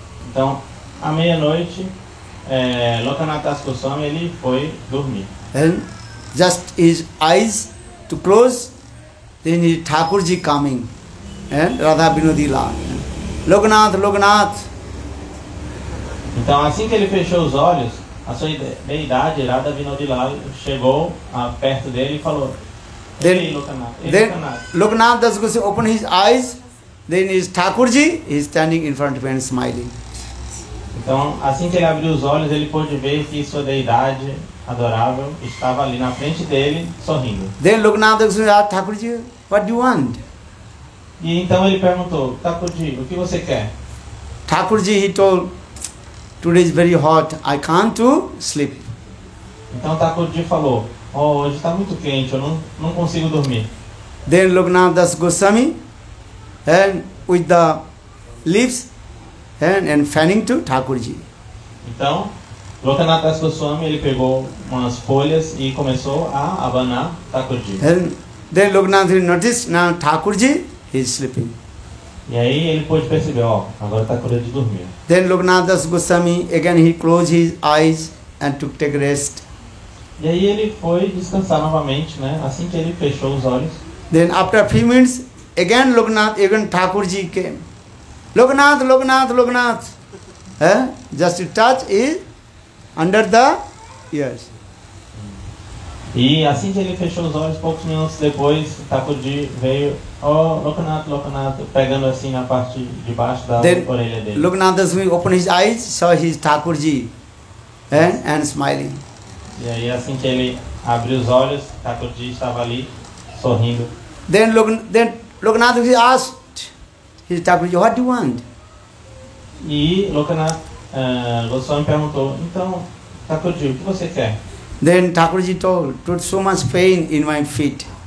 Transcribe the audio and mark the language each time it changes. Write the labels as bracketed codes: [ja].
[pt] Então, à meia-noite, Loknath Das Goswami, ele foi dormir. [en] And just his eyes to close, then his Thakurji coming, Radha Binodila. Loknath, Loknath. [pt] Então, assim que ele fechou os olhos, a sua deidade, Radha Binodilal, chegou perto dele e falou: [en] then, [pt] "Ei, Loknath, ei, [en] Loknath." Loknath Das Goswami opened his eyes, then his Thakurji is standing in front of him smiling. [pt] Então, assim que ele abriu os olhos, ele pôde ver que sua deidade adorável estava ali na frente dele, sorrindo. [en] Then Loknath Das Goswami asked Thakurji, "What do you want?" [pt] E então ele perguntou: "Thakurji, o que você quer?" [en] Thakurji, he told, "Today is very hot. I can't to sleep." [pt] Então Thakurji falou: "Oh, hoje está muito quente. Eu não consigo dormir." [en] Then Loknath Das Goswami, and with the leaves, and fanning to Thakurji. [pt] Então Loknath Das Goswami, ele pegou umas folhas e começou a abanar Thakurji. [en] And then Loknath noticed now Thakurji is sleeping. [pt] E aí ele pôde perceber, agora está com medo de dormir. [en] Then Loknath Das Goswami, again he closed his eyes and took take rest. [pt] E aí ele foi descansar novamente, né? Assim que ele fechou os olhos. [en] Then after a few minutes, again Loknath, again Thakurji came. Loknath, Loknath, Loknath. Just to touch is under the ears. [pt] E assim que ele fechou os olhos, poucos minutos depois, Thakurji veio, Loknath, Loknath, pegando assim na parte de baixo da [en] then [pt] orelha dele. [en] Loknath Das Goswami opened his eyes, saw his Thakurji, and smiling. [pt] E aí assim que ele abriu os olhos, Thakurji estava ali, sorrindo. [en] Then Loknath Das Goswami asked his Thakurji, "What do you want?" [pt] E Loknath Goswami perguntou, "Então, Thakurji, o que você quer?" [en] Then Thakurji told, "Put so much pain in my feet."